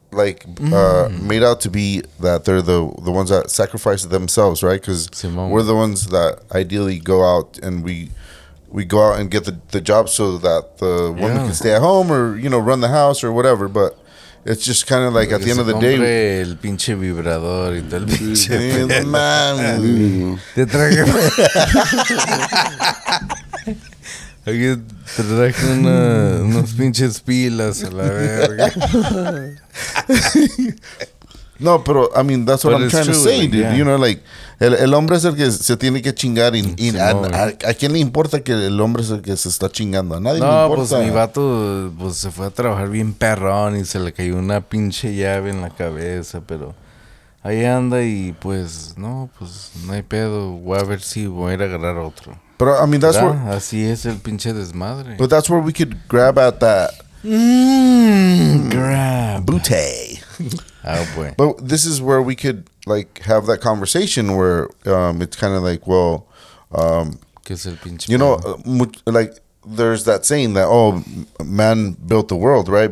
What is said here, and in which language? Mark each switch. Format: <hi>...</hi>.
<en>like made out to be that they're the ones that sacrifice themselves, right? Because we're the ones that ideally go out and we go out and get the job so that the woman can stay at home or, you know, run the house or whatever. But it's just kind of like, at the end of the day,</en> <es>el pinche vibrador y todo el pinche man. Te traje. Aquí traje unos pinches pilas a la verga. No, pero,</es> <en>I mean, that's what I'm trying to say, dude. Yeah. You know, like,</en> <es>el hombre es el que se tiene que chingar. ¿A quién le importa que el hombre es el que se está chingando? A nadie le importa. No, pues mi vato pues, se fue a trabajar bien perrón y se le cayó una pinche llave en la cabeza. Pero ahí anda y, pues, no hay pedo. Voy a ver si voy a ir a agarrar otro. Pero,</es> <en>I mean, that's where...</en> <es>Así es el pinche desmadre.</es> <en>But that's where we could grab at that... Grab. Booty. Oh, boy. But this is where we could, like, have that conversation where it's kind of like, well, you know, like, there's that saying that, oh, man built the world, right?</en>